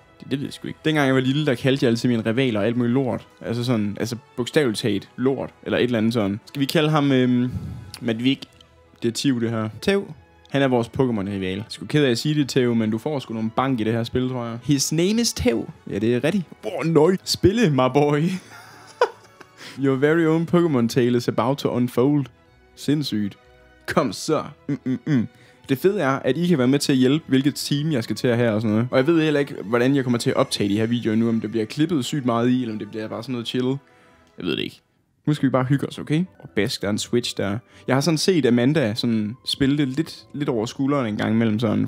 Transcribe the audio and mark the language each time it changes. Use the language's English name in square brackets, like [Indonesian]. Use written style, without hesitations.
[Danish] Det ved jeg sgu ikke. Dengang jeg var lille, der kaldte jeg altid mine rivaler alt muligt lort. Altså sådan, altså bogstaveligt talt lort. Eller et eller andet sådan. Skal vi kalde ham Madvig? Det er Tiv, det her. Tiv, han er vores Pokémon-rival. Jeg er sgu ked af at sige det, Tiv, men du får sgu nogle bank i det her spil, tror jeg. [English] His name is Tiv. [Danish] Ja, det er rigtigt. Spille, [English] my boy. Your very own Pokémon tale is about to unfold. [Danish] Sindssygt. Kom så. Det fede er, at I kan være med til at hjælpe, hvilket team jeg skal til at have og sådan noget. Og jeg ved heller ikke, hvordan jeg kommer til at optage de her videoer nu. Om det bliver klippet sygt meget i, eller om det bliver bare sådan noget chill. Jeg ved det ikke. Nu skal vi bare hygge os, okay? Og bask, der er en switch der. Jeg har sådan set Amanda sådan spille det lidt over skulderen en gang imellem sådan.